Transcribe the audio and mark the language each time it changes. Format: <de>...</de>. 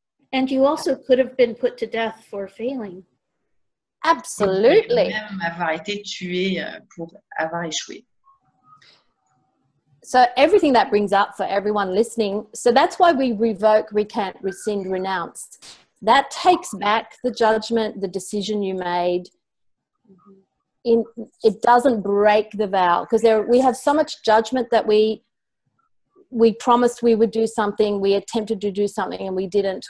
<en>And you also could have been put to death for failing. Absolutely.</en> <fr>Vous pouvez même avoir été tué pour avoir échoué.</fr> <en>So everything that brings up for everyone listening, so that's why we revoke, recant, rescind, renounce. That takes back the judgment, the decision you made. It doesn't break the vow because we have so much judgment that we promised we would do something, we attempted to do something and we didn't.</en>